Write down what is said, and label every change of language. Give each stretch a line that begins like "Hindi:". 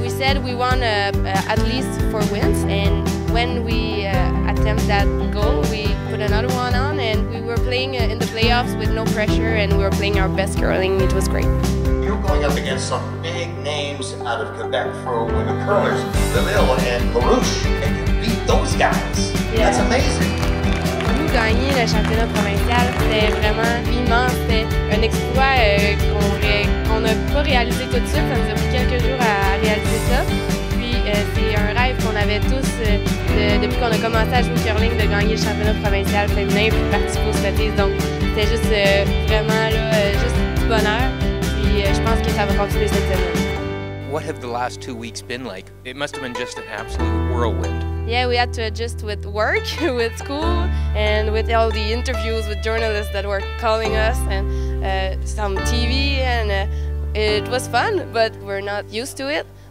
English: We said we want at least 4 wins, and when we attempt that goal, we put another one on, and we were playing in the playoffs with no pressure, and we were playing our best curling. It was great. You're going up against some big names out of Quebec for women curlers, Deville and LaRouche, and you beat those guys. Yeah. That's amazing.
French: Gagner le championnat provincial, c'était vraiment immense. C'était un exploit qu'on n'a pas réalisé tout de suite. Ça nous a pris quelques jours à réaliser ça. Puis c'est un rêve qu'on avait tous depuis qu'on a commencé à jouer au curling, de gagner le championnat provincial féminin puis de participer aux Scotties. Donc c'était juste vraiment là, juste du bonheur. Puis je pense que ça va continuer cette semaine.
English: What have the last 2 weeks been like? It must have been just an absolute whirlwind. Yeah, we had to adjust with work, with school, and with all the interviews with journalists that were calling us, and some TV, and it was fun, but we're not used to it.